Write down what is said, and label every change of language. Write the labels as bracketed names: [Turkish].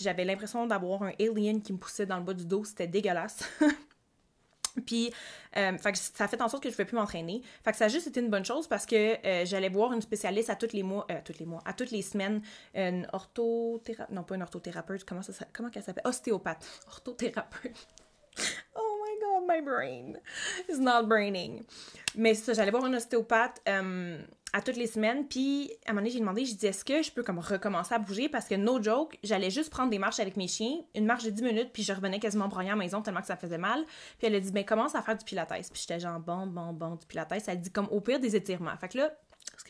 [French] J'avais l'impression d'avoir un alien qui me poussait dans le bas du dos, c'était dégueulasse. Puis, fait que ça a fait en sorte que je ne pouvais plus m'entraîner. Fait que ça a juste été une bonne chose parce que j'allais voir une spécialiste à tous les mois, à toutes les semaines, une orthothérapeute, non pas une orthothérapeute, comment qu'elle s'appelle? Ostéopathe, orthothérapeute. [English] Oh my god, my brain is not braining. [French] Mais c'est ça, j'allais voir un ostéopathe à toutes les semaines, puis à un moment donné, j'ai demandé, je dis, est-ce que je peux comme recommencer à bouger? Parce que, [English] no joke, [French] j'allais juste prendre des marches avec mes chiens, une marche de 10 minutes, puis je revenais quasiment broyant à la maison tellement que ça faisait mal. Puis elle a dit, ben commence à faire du pilates. Puis j'étais genre, bon, du pilates. Elle a dit, comme au pire des étirements. Fait que là, ce que